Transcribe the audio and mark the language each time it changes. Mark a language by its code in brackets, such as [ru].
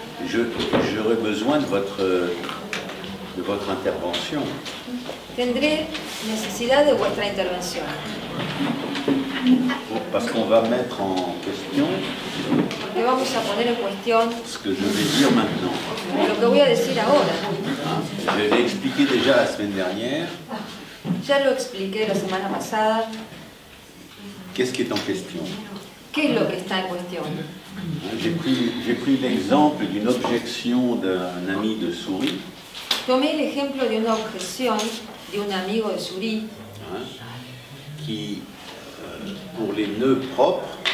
[fr] J'aurais besoin de votre intervention. [es] Tendré necesidad de vuestra intervención. [fr] Parce qu'on va mettre en question [es] vamos a poner en cuestión [fr] ce que je vais dire maintenant. [es] Lo que voy a decir ahora. [fr] Je l'ai expliqué déjà la semaine dernière. [es] Ya lo expliqué la semana pasada. [fr] Qu'est-ce qui est en question? [es] ¿Qué es lo que está en cuestión? [fr] J'ai pris l'exemple d'une objection d'un ami de Souris. [es] Tomé el ejemplo de una objeción de un amigo de Souris. [fr] Hein? Qui pour les nœuds propres.